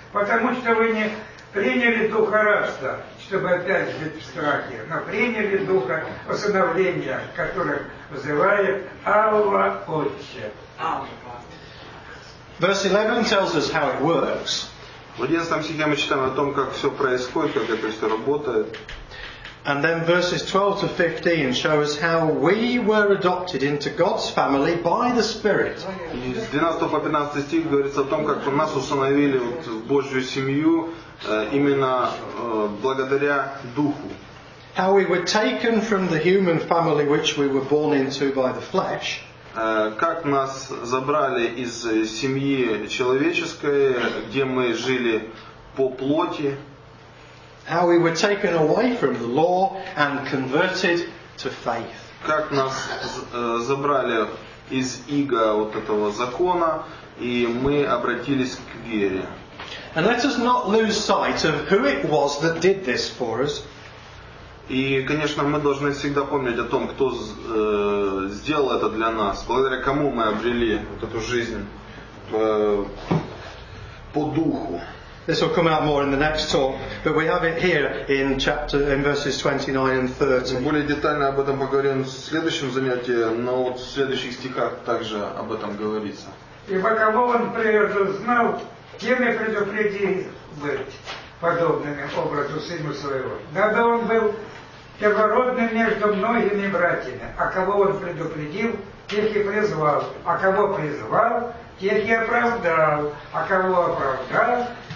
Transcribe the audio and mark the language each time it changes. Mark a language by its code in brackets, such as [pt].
[ru] Потому что вы не приняли духа рабства, чтобы опять жить в страхе, но приняли духа усыновления, который взывает Абба, Отче. [en] Verse 11 tells us how it works. [ru] В 11 стихе мы читаем о том, как все происходит, как это все работает. [en] And then verses 12 to 15 show us how we were adopted into God's family by the Spirit. [ru] С 12 по 15 стих говорится о том, как нас установили в Божью семью именно благодаря Духу. [en] How we were taken from the human family which we were born into by the flesh. [ru] Как нас забрали из семьи человеческой, где мы жили по плоти. [en] How we were taken away from the law and converted to faith. [ru] Как нас забрали из ига вот этого закона, и мы обратились к вере. [en] And let us not lose sight of who it was that did this for us. [ru] И, конечно, мы должны всегда помнить о том, кто сделал это для нас, благодаря кому мы обрели вот эту жизнь по духу. [en] This will come out more in the next talk, but we have it here in chapter, in verses 29 and 30. [ru] Более детально об этом поговорим в следующем занятии, но вот в следующих стихах также об этом говорится. Ибо кого он предузнал, тем и предупредил быть подобным образу сыну своего. Дабы он был первородным между многими братьями, а кого он предупредил, тех и призвал, а кого призвал, тех и оправдал, а кого оправдал,